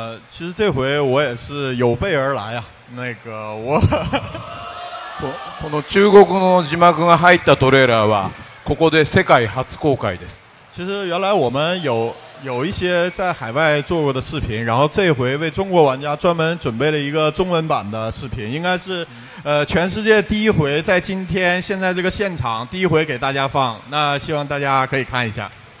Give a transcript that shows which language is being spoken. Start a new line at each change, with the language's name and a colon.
Chinese: 其实这回我也是有备而来啊，那个我
Japanese: この中国の字幕が入ったトレーラーはここで世界初公開です。
Chinese: 其实原来我们有一些在海外做过的视频，然后这回为中国玩家专门准备了一个中文版的视频，应该是全世界第一回在今天现在这个现场第一回给大家放，那希望大家可以看一下。